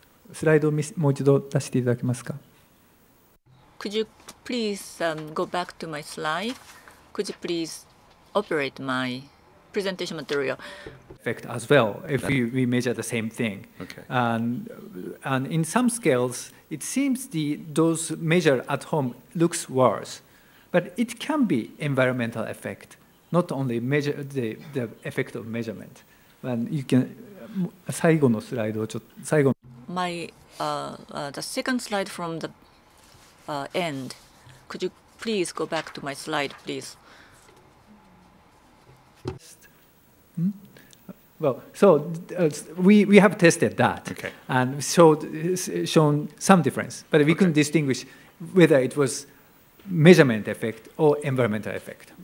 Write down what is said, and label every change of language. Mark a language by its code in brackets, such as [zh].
[ja] スライドをもう一度出していただけますか? [en] Could you please go back to my slide? Could you please operate my presentation material? Effect as well, if we measure the same thing. Okay. And in some scales, it seems those measures at home looks worse. But it can be environmental effect, not only measure the effect of measurement. And you can... [ja] 最後のスライドをちょっと最後 [en] My the second slide from the end. Could you please go back to my slide, please? Well, so we have tested that, okay. And shown some difference, but we couldn't distinguish whether it was measurement effect or environmental effect.